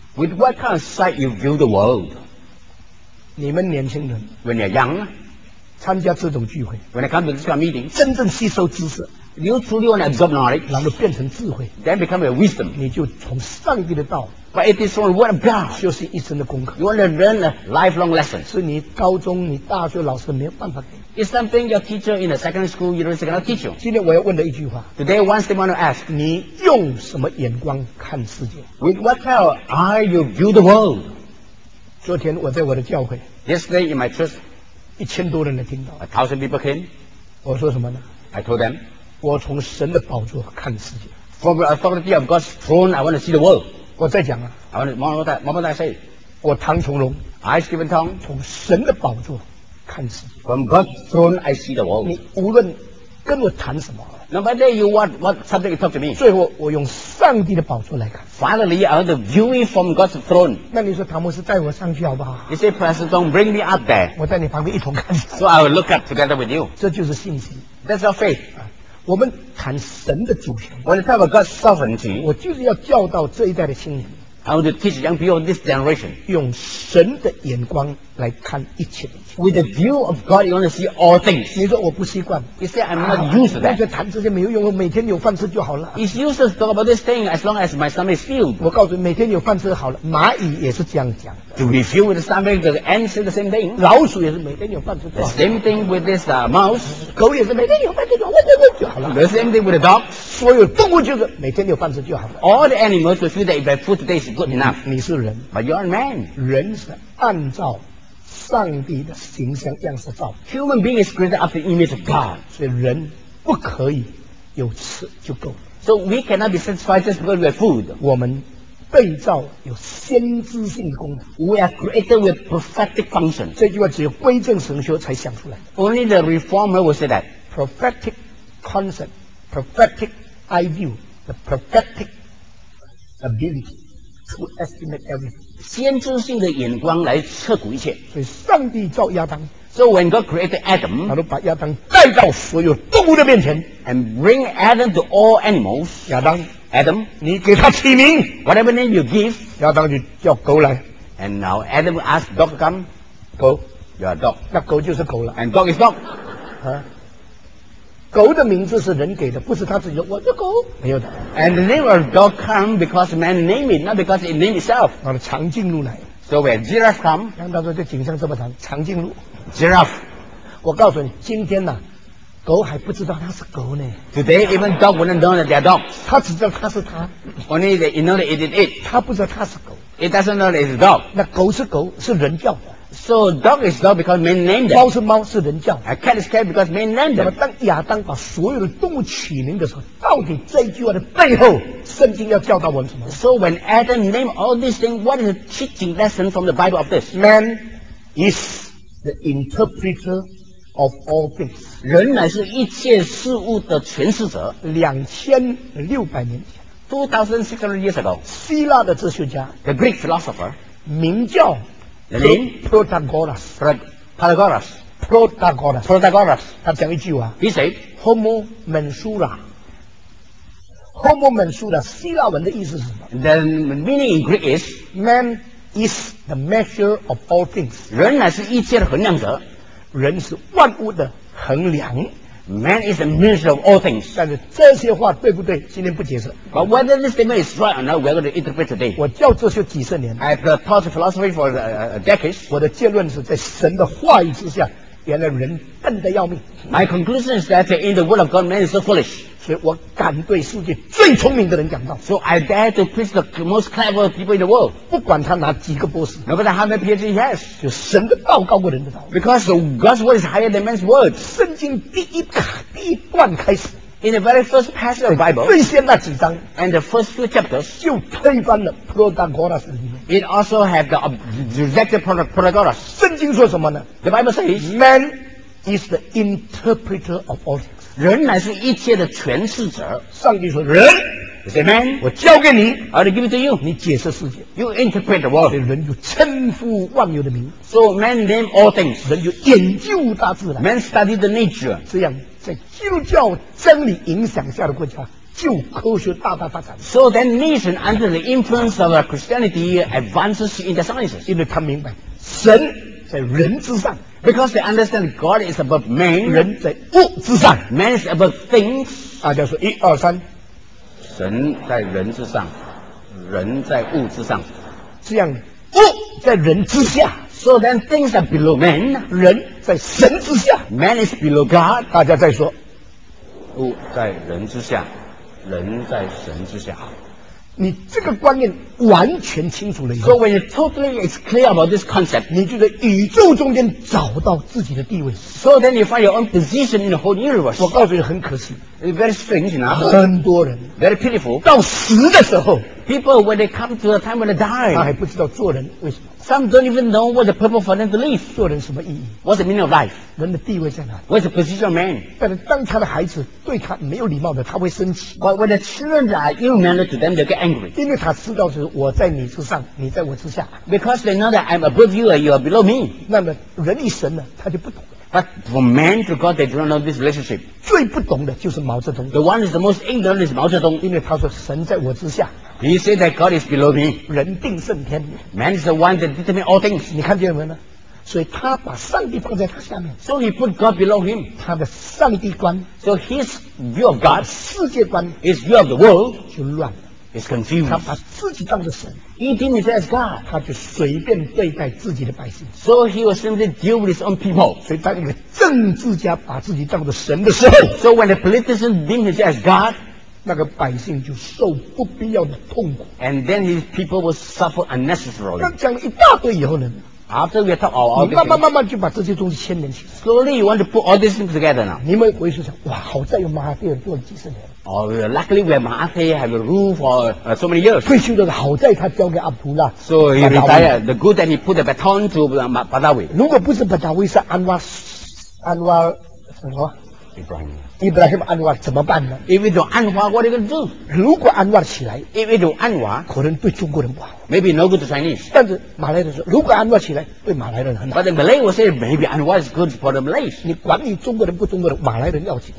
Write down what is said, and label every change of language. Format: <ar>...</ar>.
<en>？With what kind of sight you view the world?</en> <zh>你们年轻人</zh> <en>，When you're young,</en> <zh>参加这种聚会</zh> <en>，When I come to this kind of meeting,</en> <zh>真正吸收知识。</zh> <en>You truly want to absorb knowledge,</en> <zh>然后变成智慧</zh> <en>then become your wisdom.</en> <zh>你就从上帝的道</zh> <en>but it is from the word of God.</en> <zh>修习一生的功课</zh> <en>you want to learn a lifelong lesson.</en> <zh>是你高中、你大学老师没有办法给</zh> <en>It's something your teacher in a secondary school university cannot teach you.</en> <zh>今天我要问的一句话</zh> <en>today one thing I want to ask.</en> <zh>你用什么眼光看世界</zh> <en>with what kind of eye you view the world?</en> <zh>昨天我在我的教会</zh> <en>yesterday in my church,</en> <zh>1000多人的听到</zh> <en>1000 people came.</en> <zh>我说什么呢</zh> <en>I told them.</en> <zh>我从神的宝座看世界。</zh> <en>From the authority of God's throne, I want to see the world.</en> <zh>我再讲啊。</zh> <en>I want to more than I say.</en> <zh>我唐崇荣。</zh> <en>I Stephen Tong.</en> <zh>从神的宝座看世界。</zh> <en>From God's throne, I see the world.</en> <zh>你无论跟我谈什么。</zh> <en>No matter you what subject you talk to me.</en> <zh>最后我用上帝的宝座来看。</zh> <en>Finally, I want to view it from God's throne.</en> <zh>那你说唐牧师带我上去好不好</zh> <en>？You say, Pastor Tong, bring me up there.</en> <zh>我在你旁边一同看。</zh> <en>So I will look up together with you.</en> <zh>这就是信心。</zh> <en>That's your faith.</en> <zh>我们谈神的主权</zh> <en>When you talk about God's sovereignty,</en> <zh>我就是要教导这一代的青年</zh> <en>I want to teach young people this generation.</en> <zh>用神的眼光来看一切的。</zh> <en>With the view of God, you want to see all things.</en> <zh>你说我不习惯。</zh> <en>You say I'm not used to that.</en> <zh>那就谈这些没有用，每天有饭吃就好了。</zh> <en>It's useless to talk about this thing as long as my stomach is filled.</en> <zh>我告诉你，每天有饭吃好了。蚂蚁也是这样讲的。</zh> <en>To be filled with the stomach, the ants say the same thing.</en> <zh>老鼠也是每天有饭吃就好了。</zh> <en>The same thing with this mouse.</en> <zh>狗也是每天有饭吃就好了。就好了。</zh> <en>The same thing with the dog.</en> <zh>所有动物就是每天有饭吃就好了。</zh> <en>All the animals will feel that if their food today is good enough.</en> <zh>你是人。</zh> <en>But you're a man.</en> <zh>人是按照上帝的形象样式造。</zh> <en>Human being is created after the image of God.</en> <zh>所以人不可以有吃就够了。</zh> <en>So we cannot be satisfied just because we have food.</en> <zh>我们被造有先知性的功能。</zh> <en>We are created with prophetic function.</en> <zh>这句话只有归正神学才想出来。</zh> <en>Only the reformer will say that. Prophetic concept, prophetic idea, the prophetic ability to estimate everything.</en> <zh>先知性的眼光来测古一切，所以上帝造亚当。</zh> <en>So when God created Adam,</en> <zh>他都把亚当带到所有动物的面前</zh> <en>，and bring Adam to all animals.</en> <zh>亚当</zh> <en>，Adam，</en> <zh>你给他起名</zh> <en>，whatever name you give.</en> <zh>亚当就叫狗来</zh> <en>，and now Adam asked dog to come.</en> <zh>狗</zh> <en>，you're a dog.</en> <zh>那狗就是狗了</zh> <en>，and dog is dog.</en> <zh>狗的名字是人给的，不是他自己的。我叫狗，没有的。</zh> <en>And the name of dog come because man named it, not because it named itself.</en> <zh>那么长颈鹿来。</zh> <en>So when giraffe come,</en> <zh>让他说这颈项这么长，长颈鹿。</zh> <en>Giraffe,</en> <zh>我告诉你，今天呐、啊，狗还不知道它是狗呢。</zh> <en>Today even dog wouldn't know that they are dog.</en> <zh>它只知道它是它。</zh> <en>Only that it knows it is it.</en> <zh>它不知道它是狗。</zh> <en>It doesn't know it is dog.</en> <zh>那狗是狗，是人叫的。</zh> <en>So dog is dog because man named it.</en> <zh>猫是猫，是人叫。</zh> <en>A cat is cat because man named it.</en> <zh>那么当亚当把所有的动物起名的时候，到底这句话的背后，圣经要教导我们什么</zh> <en>？So when Adam named all these things, what is the teaching lesson from the Bible of this? Man is the interpreter of all things.</en> <zh>人乃是一切事物的诠释者。 2600年前</zh> <en>2600 years ago,</en> <zh>希腊的哲学家</zh> <en>，the Greek philosopher,</en> <zh>名叫。</zh> <en>The name? Protagoras. Protagoras. Protagoras. Protagoras.</en> <zh>他讲一句话。</zh> <en>He said,</en> <la>Homo mensura. Homo mensura,</la> <zh>希腊文的意思是什么？</zh> <en>The meaning in Greek is, Man is the measure of all things.</en> <zh>人乃是一切的衡量者。人是万物的衡量。</zh> <en>Man is the measure of all things.</en> <zh>但是这些话对不对？今天不解释。</zh> <en>But whether this statement is right or not, we're going to interpret today.</en> <zh>我教哲学几十年。</zh> <en>I've taught philosophy for decades.</en> <zh>我的结论是在神的话语之下，原来人笨得要命。</zh> <en>My conclusion is that in the word of God, man is so foolish.</en> <zh>所以我敢对世界最聪明的人讲道。</zh> <en>So I dare to preach the most clever people in the world.</en> <zh>不管他拿几个博士。</zh> <en>No matter how many PhDs he has.</en> <zh>就神的道高过人的道。</zh> <en>Because God's word is higher than man's word.</en> <zh>圣经第一段开始。</zh> <en>In the very first passage of the Bible,</en> <zh>最先那几章</zh> <en>and the first few chapters,</en> <zh>就推翻了 Protagoras 的理论。</zh> <en>It also had the rejected Protagoras.</en> <zh>圣经说什么呢？</zh> <en>The Bible says, Man is the interpreter of all things.</en> <zh>人乃是一切的诠释者。上帝说人</zh> <en>is a man.</en> <zh>我交给你</zh> <en>，I'll give it to you.</en> <zh>你解释世界</zh> <en>，You interpret the world.</en> <zh>所以人就称呼万有的名。</zh> <en>So man name all things.</en> <zh>人就研究大自然。</zh> <en>Man study the nature.</en> <zh>这样。在基督教真理影响下的国家，就科学大大发展。</zh> <en>So then, nation under the influence of Christianity advances in the sciences.</en> <zh>因为他明白，神在人之上。</zh> <en>Because they understand God is above man.</en> <zh>人在物之上。</zh> <en>Man is above things.</en> <zh>大家说一二三，神在人之上，人在物之上，这样物在人之下。</zh> <en>So then things are below man.</en> <zh>人在神之下。</zh> <en>Man is below God.</en> <zh>大家再说。物在人之下，人在神之下。你这个观念完全清楚了。</zh> <en>So when you totally is clear about this concept,</en> <zh>你就在宇宙中间找到自己的地位。</zh> <en>So then you find your own position in the whole universe.</en> <zh>我告诉你很可惜。</zh> <en>It's very strange, you know?</en> <zh>很多人。</zh> <en>Very pitiful.</en> <zh>到死的时候。</zh> <en>People, when they come to the time when they die,</en> <zh>他还不知道做人为什么。</zh> <en>Some don't even know what the purpose for them to live.</en> <zh>做人什么意义？</zh> <en>What's the meaning of life?</en> <zh>人的地位在哪？</zh> <en>What's the position of man?</en> <zh>但是当他的孩子对他没有礼貌的，他会生气。</zh> <en>But when the children are ill-mannered to them, they get angry.</en> <zh>因为他知道是我在你之上，你在我之下。</zh> <en>Because they know that I'm above you and you are below me.</en> <zh>那么人一神呢，他就不懂。</zh> <en>But for man to God, they do not know this relationship.</en> <zh>最不懂的就是毛泽东。</zh> <en>The one who is the most ignorant is Mao Zedong.</en> <zh>因为他说神在我之下。</zh> <en>He said that God is below me.</en> <zh>人定胜天。</zh> <en>Man is the one that determines all things.</en> <zh>你看见没有呢？所以他把上帝放在他下面。</zh> <en>So he put God below him.</en> <zh>他的上帝观。</zh> <en>So his view of God.</en> <zh>世界观。</zh> <en>His view of the world.</en> <zh>就乱了。</zh> <en>Is confused.</en> <zh>他把自己当作神。</zh> <en>He deemed himself as God.</en> <zh>他就随便对待自己的百姓。</zh> <en>So he was simply deal with his own people.</en> <zh>所以当一个政治家把自己当作神的时候。</zh> <en>So when a politician deemed himself as God.</en> <zh>那个百姓就受不必要的痛苦。</zh> <en>And then his people will suffer unnecessarily.</en> <zh>那讲了一大堆以后呢</zh> <en>？After we talk all,</en> <zh>你慢慢慢慢就把这些东西牵连起来。</zh> <en>Slowly you want to put all these things together now.</en> <zh>你们回去想，哇，好在有马哈蒂尔做了几十年。</zh> <en>Oh, luckily we have马哈蒂尔 have a rule for so many years.</en> <zh>退休的好在他交给阿卜拉。</zh> <en>So he retired. The good that he put the baton to Badawi.</en> <zh>如果不是 Badawi, 是安瓦什么？</zh> <en>Ibrahim</en> <zh>Anwar 怎么办呢</zh> <en>？If it's Anwar, what are you going to do?</en> <zh>如果 Anwar 起来</zh> <en>，If it's Anwar,</en> <zh>可能对中国人不好。</zh> <en>Maybe no good to Chinese.</en> <zh>但是马来人说，如果 Anwar 起来，对马来人很好。</zh> <en>But the Malay will say maybe Anwar is good for the Malays.</en> <zh>你管你中国人不中国人，马来人要紧。</zh>